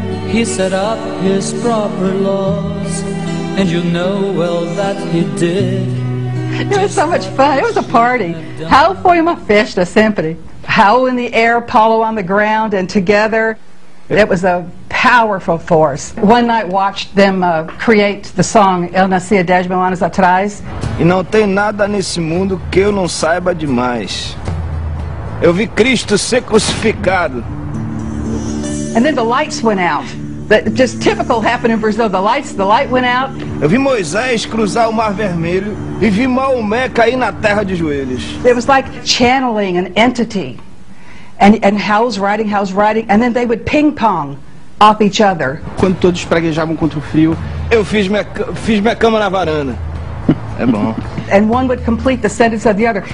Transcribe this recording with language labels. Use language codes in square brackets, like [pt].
[en] He set up his proper laws, and you know well that he did. It was so much fun. It was a party. [pt] How foi uma festa sempre. [en] Raul in the air, Paulo on the ground, and together, it was a powerful force. One night watched them create the song Eu Nasci há 10 mil anos atrás. [pt] E não tem nada nesse mundo que eu não saiba demais. Eu vi Cristo ser crucificado. [en] And then the lights went out. That just typical happened in Brazil. The light went out. [pt] Eu vi Moisés cruzar o Mar Vermelho e vi Maomé cair na terra de joelhos. [en] It was like channeling an entity. And Raul's writing, and then they would ping pong off each other. [pt] Quando todos praguejavam contra o frio, eu fiz minha cama na varanda. É bom. [en] And one would complete the sentence of the other.